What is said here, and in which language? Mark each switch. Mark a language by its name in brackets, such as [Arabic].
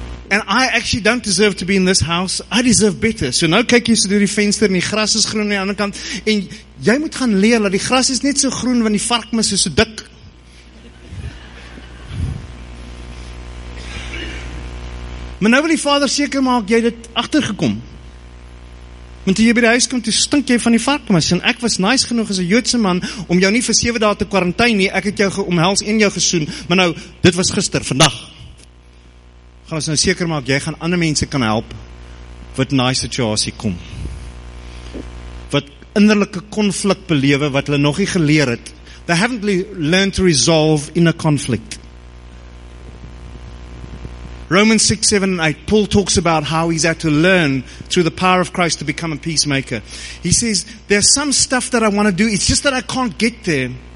[English] And I actually don't deserve to be in this house, I deserve better. [Afrikaans] So nou kyk jy so door die venster en die gras is groen aan die ander kant, en jy moet gaan leer dat die gras is net so groen, want die vark mis is so dik. Maar nou wil die vader seker maak, jy dit agtergekom. Want toe jy by die huis kom, toe stink jy van die varkmis. En ek was nice genoeg as 'n Joodse man, om jou nie vir 7 dae te quarantain nie, ek het jou omhels en jou gesoen. Maar nou, dit was gister, vandag. Gaan ons nou seker maak, jy gaan ander mense kan help, wat in die situasie kom. Wat innerlike konflik belewe, wat hulle nog nie geleer het. [English] They haven't learned to resolve in a conflict. Romans 6, 7 and 8, Paul talks about how he's had to learn through the power of Christ to become a peacemaker. He says, there's some stuff that I want to do, it's just that I can't get there.